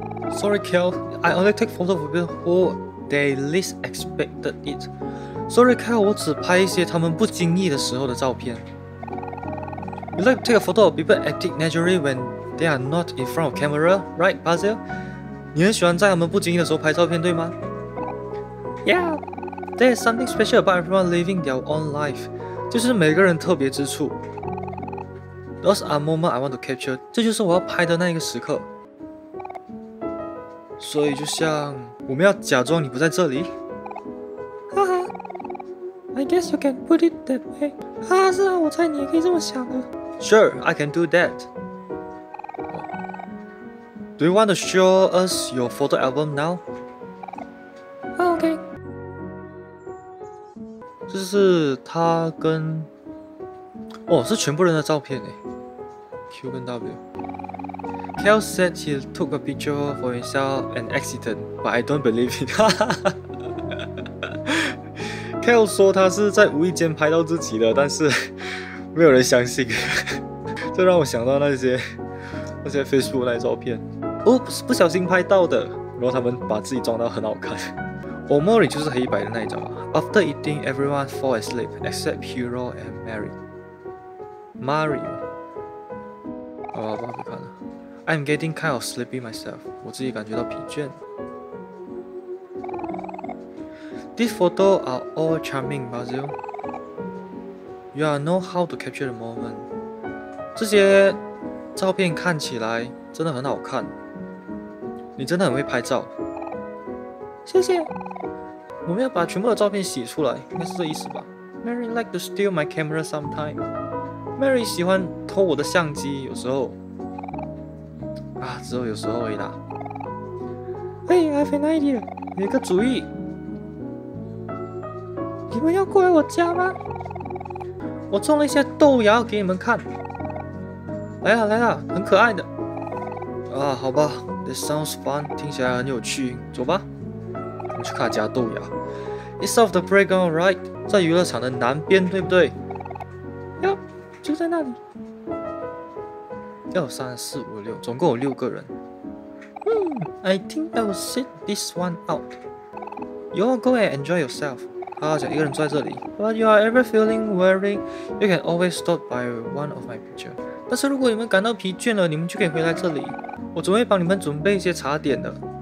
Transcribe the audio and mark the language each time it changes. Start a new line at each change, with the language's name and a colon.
English: Sorry, Cal, I only take photos for people they least expected it.
Chinese: Sorry, Cal, 我只拍一些他们不经意的时候的照片。
English: You like to take a photo of people acting naturally when they are not in front of camera, right, Basil?
Chinese: 你很喜欢在他们不经意的时候拍照片，对吗
English: ？Yeah, there's something special about everyone living their own life.
Chinese: 就是每个人特别之处。
English: Those are moments I want to capture.
Chinese: 这就是我要拍的那一个时刻。所以就像我们要假装你不在这里。
English: 哈哈 ，I guess you can put it that way.
Chinese: 哈哈，是啊，我猜你也可以这么想的。
English: Sure, I can do that. Do you want to show us your photo album now? Okay.
Chinese: 这是他跟……哦，是全部人的照片哎。 Q 跟 W.
English: Cal said he took a picture for himself an accident, but I don't believe it.
Chinese: Cal 说他是在无意间拍到自己的，但是没有人相信。就让我想到那些 Facebook 那些照片，哦，不小心拍到的，然后他们把自己装到很好看。 Omori 就是黑白的那一种啊。
English: After eating, everyone falls asleep except Hiro and Mary. Mary，
Chinese: 好吧，不好看了。
English: I'm getting kind of sleepy myself.
Chinese: 我自己感觉到疲倦。
English: These photos are all charming, Basil. You are know how to capture the moment.
Chinese: 这些照片看起来真的很好看。你真的很会拍照。谢谢。我们要把全部的照片洗出来，应该是这意思吧。
English: Mary like to steal my camera sometime.
Chinese: Mary 喜欢偷我的相机，有时候。啊，只有有时候而已啦。
English: Hey, I have an idea.
Chinese: 有个主意。你们要过来我家吗？我种了一些豆芽给你们看。来了来了，很可爱的。啊，好吧 ，
English: This sounds fun，
Chinese: 听起来很有趣。走吧，我们去看家豆芽。
English: It's off the playground, right？
Chinese: 在娱乐场的南边，对不对？哟，就在那里。要三四五六，总共有六个人。
English: I think I will sit this one out. You all go and enjoy yourself.
Chinese: 好好讲，一个人坐在这里。
English: But you are ever feeling weary, you can always stop by one of my pictures.
Chinese: 但是如果你们感到疲倦了，你们就可以回来这里。我总会帮你们准备一些茶点的。